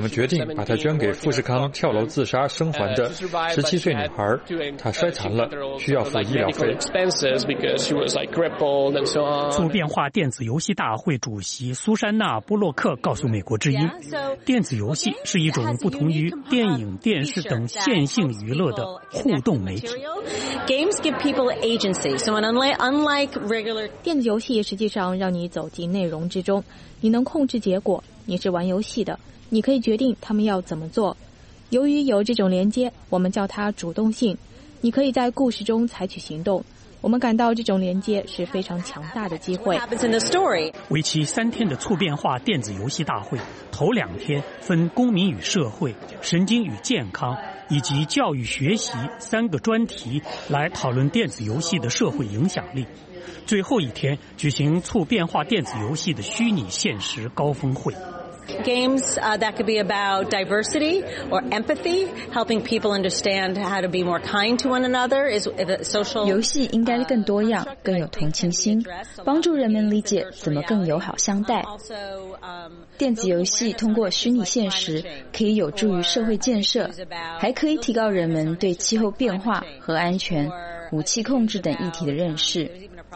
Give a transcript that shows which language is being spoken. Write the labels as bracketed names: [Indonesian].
[Chinese] 们决定把它捐给富士康跳楼自杀生还的17岁女孩，她摔残了，需要付医疗费。做变化电子游戏大会主席苏珊娜·波洛克告诉美国之音，电子游戏是一种不同于电影、电视等线性娱乐的互动媒体。 [English] Games give people agency, so unlike regular [Chinese] 电子游戏实际上让你走进内容之中，你能控制结果，你是玩游戏的，你可以决定他们要怎么做。由于有这种连接，我们叫它主动性，你可以在故事中采取行动。我们感到这种连接是非常强大的机会。为期三天的促变化电子游戏大会，头两天分公民与社会、神经与健康以及教育学习三个专题来讨论电子游戏的社会影响力，最后一天举行促变化电子游戏的虚拟现实高峰会。 [English] Games that could be about diversity or empathy, helping people understand how to be more kind to one another is a social. [Chinese] 游戏应该更多样，更有同情心，帮助人们理解怎么更友好相待。电子游戏通过虚拟现实可以有助于社会建设，还可以提高人们对气候变化、核安全、武器控制等议题的认识。